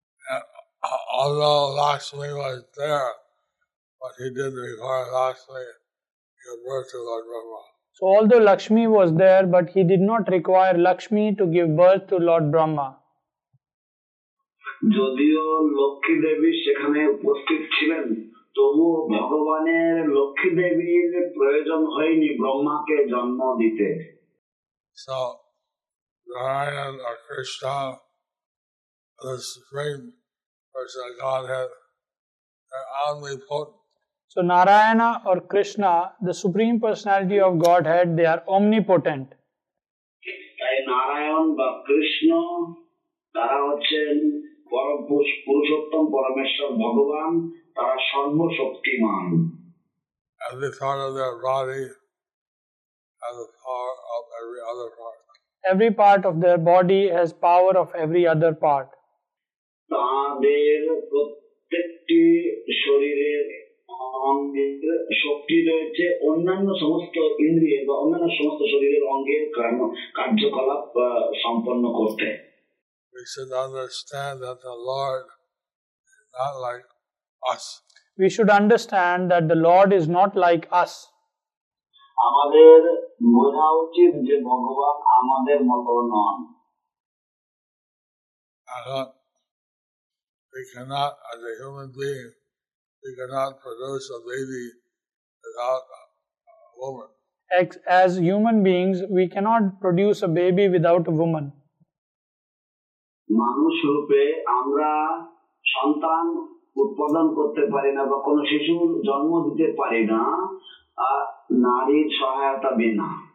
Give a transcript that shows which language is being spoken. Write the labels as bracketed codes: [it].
[en] Yeah, although Lakshmi was there, but he didn't require Lakshmi to give birth to Lord Brahma. So although Lakshmi was there, but he did not require Lakshmi to give birth to Lord Brahma. [bn] যদিও লক্ষ্মী দেবী সেখানে উপস্থিত ছিলেন, তবুও ভগবানের লক্ষ্মী দেবীর প্রয়োজন হয়নি ব্রহ্মাকে জন্ম দিতে। [en] So, Narayan or Krishna, the Supreme Personality of Godhead, are omnipotent. So, Narayana or Krishna, the Supreme Personality of Godhead, they are omnipotent. [bn] তাই নারায়ণ বা কৃষ্ণ তারা হচ্ছেন পরম পুরুষোত্তম পরমেশ্বর ভগবান, তারা সর্বশক্তিমান। [en] And the thought of their body has the power of every other part. Every part of their body has power of every other part. [bn] তাদের প্রত্যেকটি শরীরের অঙ্গের শক্তি রয়েছে অন্যান্য সমস্ত ইন্দ্রিয় বা অন্যান্য সমস্ত শরীরের অঙ্গের কার্যকলাপ সম্পন্ন করতে। [en] We should understand that the Lord is not like us. We should understand that the Lord is not like us. [bn] আমাদের বোঝা উচিত যে ভগবান আমাদের মতো নন। [en] আহা, we cannot, as a human being, we cannot produce a baby without a woman. As human beings, we cannot produce a baby without a woman. [bn] মানুষ রূপে আমরা সন্তান উৎপাদন করতে পারি না বা কোন শিশু জন্ম দিতে পারি না আর নারীর সহায়তা বিনা।